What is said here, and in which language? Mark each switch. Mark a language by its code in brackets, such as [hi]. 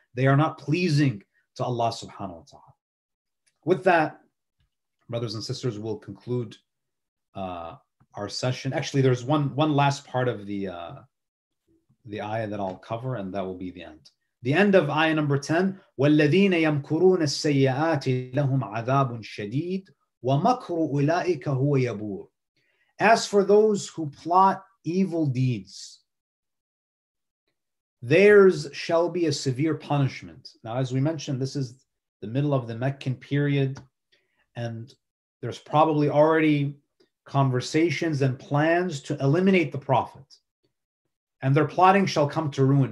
[en] They are not pleasing to Allah subhanahu wa ta'ala. With that, brothers and sisters, we'll conclude our session. Actually, there's one last part of the ayah that I'll cover, and that will be the end. The end of ayah number 10. [ar] وَالَّذِينَ يَمْكُرُونَ السَّيِّئَاتِ لَهُمْ عَذَابٌ شَدِيدٌ وَمَكْرُ أُولَٰئِكَ هُوَ يَبُورٌ. [en] As for those who plot evil deeds, theirs shall be a severe punishment. Now, as we mentioned, this is the middle of the Meccan period, and there's probably already conversations and plans to eliminate the Prophet, and their plotting shall come to ruin.